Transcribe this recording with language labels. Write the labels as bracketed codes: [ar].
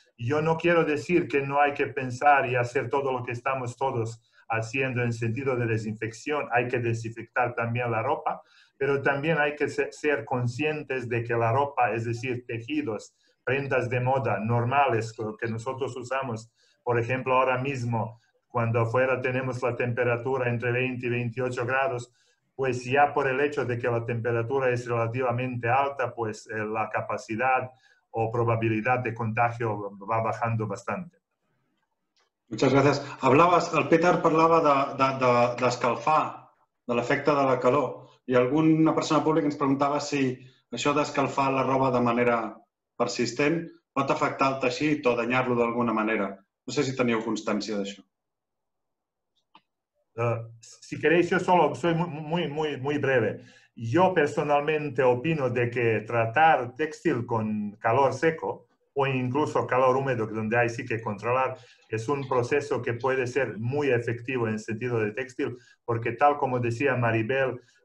[es] Yo no quiero decir que no hay que pensar y hacer todo lo que estamos todos haciendo en sentido de desinfección, hay que desinfectar también la ropa, pero también hay que ser conscientes de que la ropa, es decir, tejidos, prendas de moda normales que nosotros usamos, por ejemplo, ahora mismo, cuando afuera tenemos la temperatura entre 20 y 28 grados, pues ya por el hecho de que la temperatura es relativamente alta, pues la capacidad o probabilidad de contagio va bajando bastante. Muchas gracias. [ca] El Peter parlava d'escalfar, de l'efecte de la calor, i alguna persona pública ens preguntava si això d'escalfar la roba de manera persistent pot afectar el teixit o danyar-lo d'alguna manera. No sé si teniu constància d'això. [es] Si queréis, yo solo soy muy, muy, muy breve. Yo personalmente opino de que tratar textil con calor seco o incluso calor húmedo, donde hay sí que controlar, es un proceso que puede ser muy efectivo en sentido de textil, porque tal como decía Maribel,